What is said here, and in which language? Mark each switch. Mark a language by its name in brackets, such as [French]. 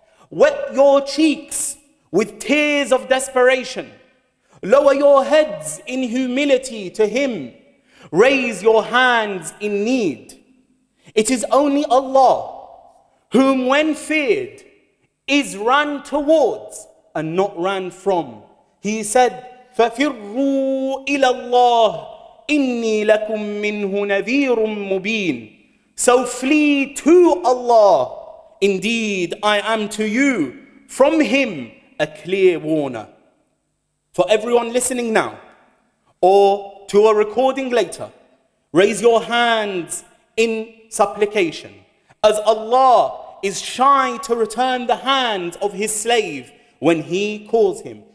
[English] Wet your cheeks with tears of desperation. Lower your heads in humility to him. Raise your hands in need. It is only Allah whom, when feared, is run towards and not ran from. He said, [Arabic] فَفِرُّوا إِلَى اللَّهِ إِنِّي لَكُم مِّنْهُ نَذِيرٌ مُّبِينٌ. [English] So flee to Allah. Indeed, I am to you, from him, a clear warner. For everyone listening now, or to a recording later, raise your hands in supplication, as Allah is shy to return the hands of his slave when he calls him.